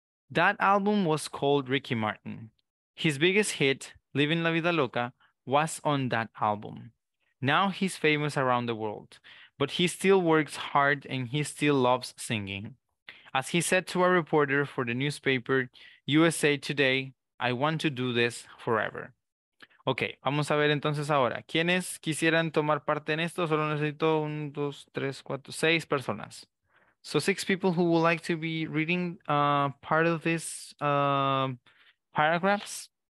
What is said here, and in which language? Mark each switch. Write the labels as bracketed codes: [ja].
[en] That album was called Ricky Martin. His biggest hit, Living La Vida Loca, was on that album. Now he's famous around the world, but he still works hard and he still loves singing. As he said to a reporter for the newspaper USA Today, I want to do this forever. [es] Ok, vamos a ver entonces ahora. ¿Quiénes quisieran tomar parte en esto? Solo necesito un, dos, tres, cuatro, seis personas. [en] So six people who would like to be reading part of this paragraphs.